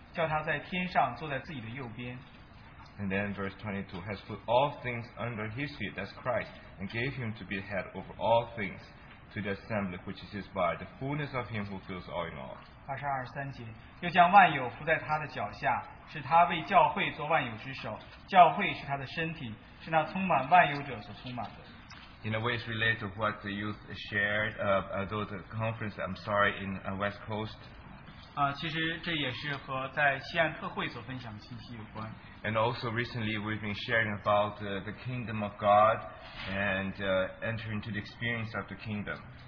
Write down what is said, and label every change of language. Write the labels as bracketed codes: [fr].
[zh] 下到第二十节，就是照他在基督身上所运行的大能大力，使他从死里复活，叫他在天上坐在自己的右边。 [en] And then verse 22, has put all things under his feet, that's Christ, and gave him to be head over all things to the assembly, which is his body, the fullness of him who fills all in all. [zh] 22节,又将万有伏在他的脚下,使他为教会做万有之首,教会是他的身体,是那充满万有者所充满的。 [en] In a way, it's related to what the youth shared, though the conference, I'm sorry, in West Coast. [zh] 其实这也是和在西岸特会所分享的信息有关。 [en] And also recently we've been sharing about the kingdom of God and entering into the experience of the kingdom.